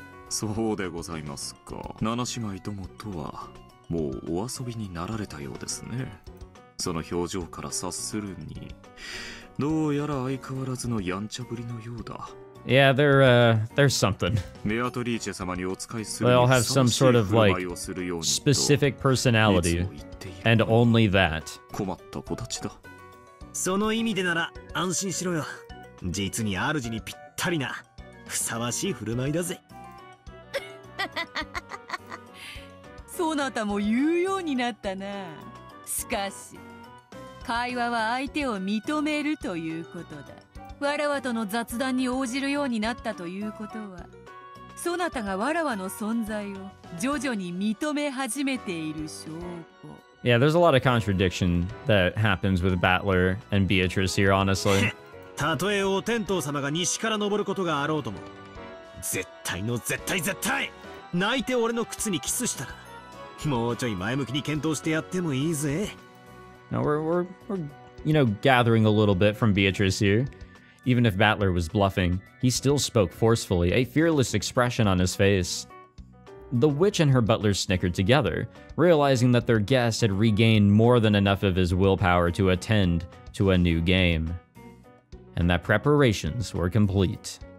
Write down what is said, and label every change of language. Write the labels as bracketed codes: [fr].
[ja] そうでございますか。七姉妹どもとはもうお遊びになられたようですね。その表情から察するに、どうやら相変わらずのやんちゃぶりのようだ。 [en] Yeah, there's something. [ja] メアトリーチェ様にお使いする。 [en] They all have some sort of like specific personality, and only that. [ja] 困った子たちだ。その意味でなら安心しろよ。実に主にぴったりなふさわしい振る舞いだぜ。そなたも言うようになったな。しかし会話は相手を認めるということだ。わらわとの雑談に応じるようになったということは、そなたがわらわの存在を徐々に認め始めている証拠。 [en] Yeah, there's a lot of contradiction that happens with Battler and Beatrice here, honestly. [ja] たとえお天道様が西から登ることがあろうとも、絶対の絶対絶対、泣いて俺の靴にキスしたら、もうちょい前向きに検討してやってもいいぜ。 [en] Now we're you know, gathering a little bit from Beatrice here. Even if Battler was bluffing, he still spoke forcefully, a fearless expression on his face. The witch and her butler snickered together, realizing that their guest had regained more than enough of his willpower to attend to a new game, and that preparations were complete.